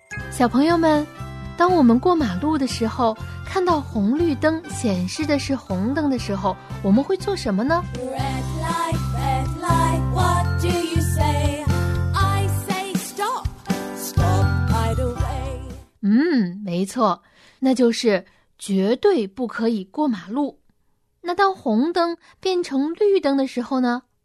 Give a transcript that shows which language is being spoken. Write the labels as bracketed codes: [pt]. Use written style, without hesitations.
[zh] 小朋友们，当我们过马路的时候，看到红绿灯显示的是红灯的时候，我们会做什么呢？ [en] Red light, red light, what do you say? I say stop, stop right away. [zh] 没错，那就是绝对不可以过马路。那当红灯变成绿灯的时候呢？